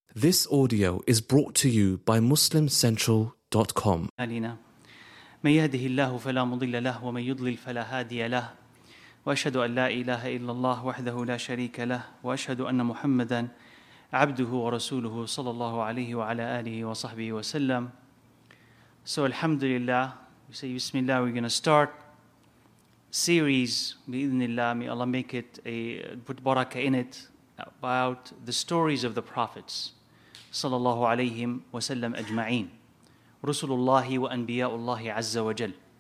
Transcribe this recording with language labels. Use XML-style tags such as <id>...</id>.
<en>This audio is brought to you by MuslimCentral.com.</en> <ar>علينا من يهده الله فلا مضل له ومن يضلل فلا هادي له وأشهد أن لا إله إلا الله وحده لا شريك له وأشهد أن محمدا عبده ورسوله صلى الله عليه وعلى آله وصحبه وسلم.</ar> <en>So alhamdulillah, we say bismillah, we're going to start series</en> <ar>بإذن الله,</ar> <en>may Allah make it a put barakah in it, about the stories of the prophets</en> <ar>صلى الله عليه وسلم أجمعين رسل الله وأنبياء الله عز وجل.</ar>